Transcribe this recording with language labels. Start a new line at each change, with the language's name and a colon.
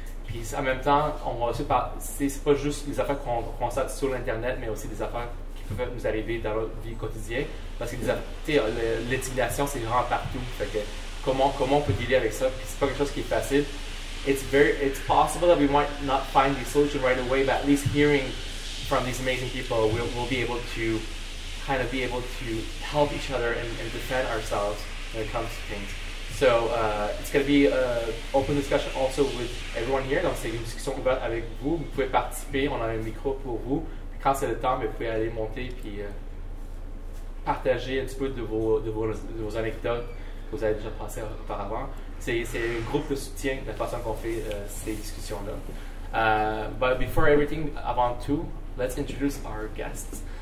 French: Puis en même temps, on va aussi parler, c'est pas juste les affaires qu'on constate sur l'internet, mais aussi des affaires peuvent nous arriver dans notre vie quotidienne parce que l'intimidation c'est vraiment partout. Fait que comment on peut dealer avec ça? Puis c'est pas quelque chose qui est facile.
English: It's possible that we might not find the solution right away, but at least hearing from these amazing people, we'll be able to kind of be able to help each other and defend ourselves when it comes to things. So it's going to be an open discussion also with everyone here.
French: Donc c'est une discussion ouverte avec vous. Vous pouvez participer. On a un micro pour vous. Quand c'est le temps, vous pouvez aller monter et partager un petit peu de vos anecdotes que vous avez déjà passées auparavant. C'est un groupe de soutien de la façon qu'on fait ces discussions-là.
English: But before everything,
French: avant tout,
English: let's introduce our guests.